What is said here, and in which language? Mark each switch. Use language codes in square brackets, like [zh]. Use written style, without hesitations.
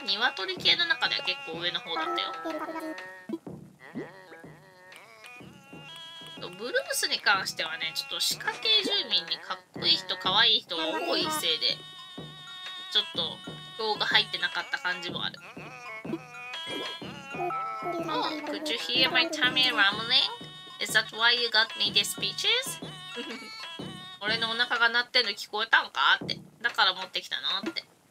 [ja] 鶏系の中では結構上の方だったよ。ブルースに関してはね、ちょっと歯科系住民にかっこいい人かわいい人が多いせいで、ちょっと票が入ってなかった感じもある。 [en] Oh, could you hear my tummy rumblingIs that why you got me these peaches? [ja] 俺のお腹が鳴ってんの聞こえたんかって。だから持ってきたのって。